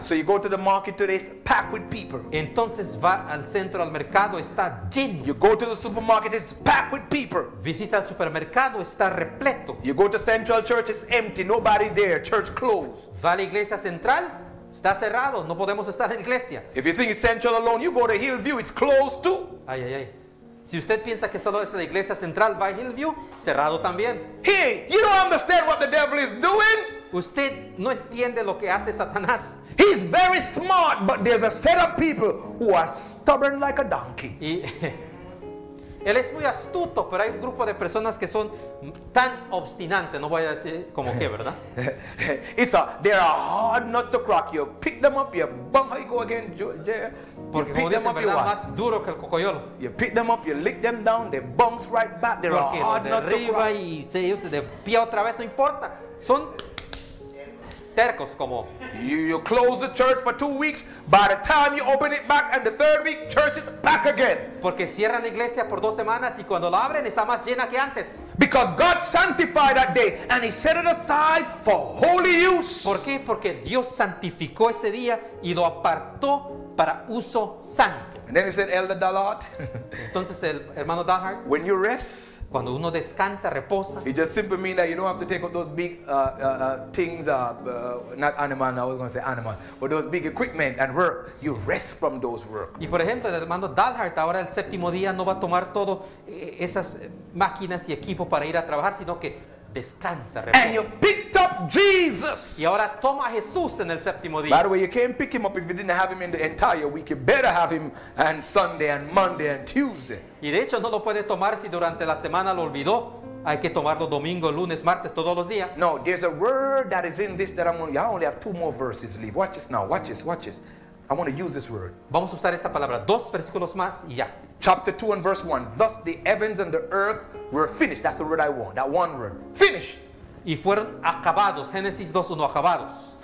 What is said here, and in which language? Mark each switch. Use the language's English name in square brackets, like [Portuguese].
[English] So you go to the market today, it's packed with people. [Spanish] Entonces va al centro, al mercado, está lleno. [English] You go to the supermarket, it's packed with people. [Spanish] Visita el supermercado, está repleto. [English] You go to Central Church, it's empty, nobody there, church closed. [Spanish] Va a la iglesia central, está cerrado, no podemos estar en iglesia. [English] If you think it's Central alone, you go to Hillview, it's closed too. Ay, ay, ay. [Spanish] Si usted piensa que solo es la iglesia central, va a Hillview, cerrado también. [English] Hey, you don't understand what the devil is doing. [Spanish] Usted no entiende lo que hace Satanás. [English] He's very smart, but there's a set of people who are stubborn like a donkey. [Spanish] Y, él es muy astuto, pero hay un grupo de personas que son tan obstinantes, no voy a decir como qué, ¿verdad? [English] It's a, they're a hard nut to crack. You pick them up, you bump, you go again, yeah. [Spanish] Porque como dicen, ¿verdad? Más duro que el cocoyolo. [English] You pick them up, you lick them down, they bumps right back, they're [Spanish] porque [English] a hard nut to crack. [Spanish] Y se ellos de pie otra vez, no importa. Son tercos como... [English] You close the church for 2 weeks, by the time you open it back and the third week, church is back again. [Spanish] Porque cierran la iglesia por 2 semanas y cuando la abren está más llena que antes. [English] Because God sanctified that day and he set it aside for holy use. [Spanish] ¿Por qué? Porque Dios santificó ese día y lo apartó para uso santo. [English] And then he said, Elder Dalhart. [Spanish] Entonces el hermano Dalhart. [English] When you rest. [Spanish] Cuando uno descansa, reposa. [English] It just simply means that you don't have to take up those big things, not animal, I was going to say animal, but those big equipment and work. You rest from those work. [Spanish] Y por ejemplo, el hermano Dalhart, ahora el séptimo día no va a tomar todo esas máquinas y equipo para ir a trabajar, sino que descansa, reposa. [English] And you picked up Jesus. [Spanish] Y ahora toma a Jesús en el séptimo día. [English] By the way, you can't pick him up if you didn't have him in the entire week. You better have him on Sunday and Monday and Tuesday. [Spanish] Y de hecho no lo puede tomar si durante la semana lo olvidó. Hay que tomarlo domingo, lunes, martes, todos los días. [English] No, there's a word that is in this that I'm going to... I only have 2 more verses left. Watch this now. Watch this. Watch this. I want to use this word. [Spanish] Vamos a usar esta palabra. 2 versículos más y ya. [English] Chapter 2 and verse 1. Thus the heavens and the earth were finished. That's the word I want. That one word. Finished. [Spanish] Y fueron acabados. Génesis 2:1, acabados.